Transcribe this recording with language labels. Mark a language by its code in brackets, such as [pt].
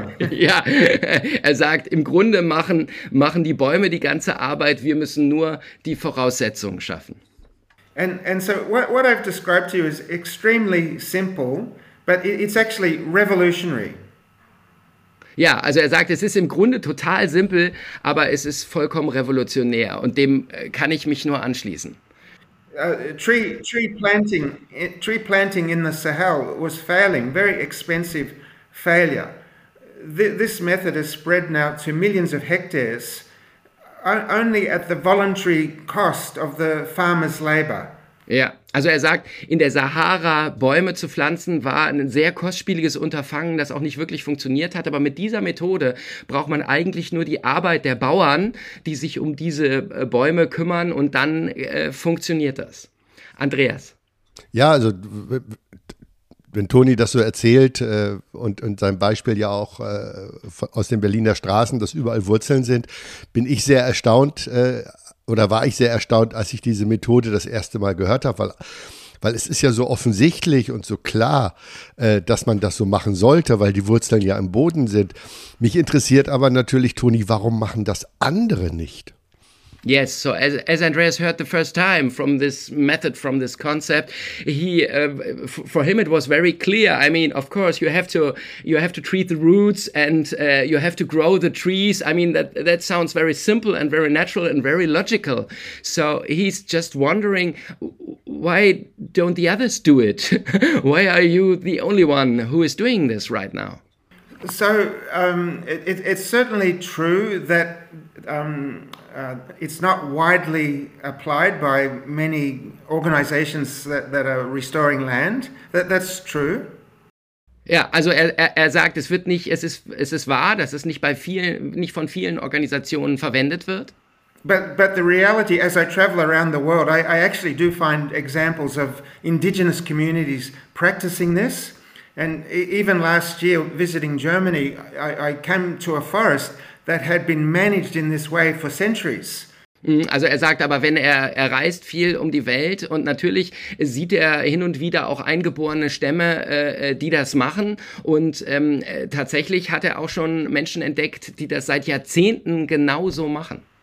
[de] Ja, er sagt, im Grunde machen die Bäume die ganze Arbeit, wir müssen nur die Voraussetzungen schaffen. [en] And so what I've described to you is extremely simple, but it's actually revolutionary. [de] Ja, also er sagt, es ist im Grunde total simpel, aber es ist vollkommen revolutionär und dem kann ich mich nur anschließen. [en] Tree planting in the Sahel was failing, very expensive failure. This method has spread now to millions of hectares only at the voluntary cost of the farmer's labor. [de] Ja, also er sagt, in der Sahara Bäume zu pflanzen war ein sehr kostspieliges Unterfangen, das auch nicht wirklich funktioniert hat. Aber mit dieser Methode braucht man eigentlich nur die Arbeit der Bauern, die sich um diese Bäume kümmern und dann funktioniert das. Andreas. Ja, also wenn Toni das so erzählt und sein Beispiel ja auch aus den Berliner Straßen, dass überall Wurzeln sind, bin ich sehr erstaunt oder war ich sehr erstaunt, als ich diese Methode das erste Mal gehört habe, weil es ist ja so offensichtlich und so klar, dass man das so machen sollte, weil die Wurzeln ja im Boden sind. Mich interessiert aber natürlich, Toni, warum machen das andere nicht? [en] Yes, so as Andreas heard the first time from this method, from this concept, for him it was very clear. I mean, of course, you have to treat the roots and you have to grow the trees. I mean, that sounds very simple and very natural and very logical. So he's just wondering, why don't the others do it? Why are you the only one who is doing this right now? So it's certainly true that it's not widely applied by many organizations that are restoring land. That's true. [de] Ja, also er sagt, es ist wahr, dass es nicht von vielen Organisationen verwendet wird. [en] But the reality, as I travel around the world, I actually do find examples of indigenous communities practicing this. And even last year, visiting Germany, I came to a forest that had been managed in this way for centuries. [de] Also er sagt aber, wenn er reist viel um die Welt und natürlich sieht er hin und wieder auch eingeborene Stämme, die das machen. Und tatsächlich hat er auch schon Menschen entdeckt, die das seit Jahrzehnten genauso machen.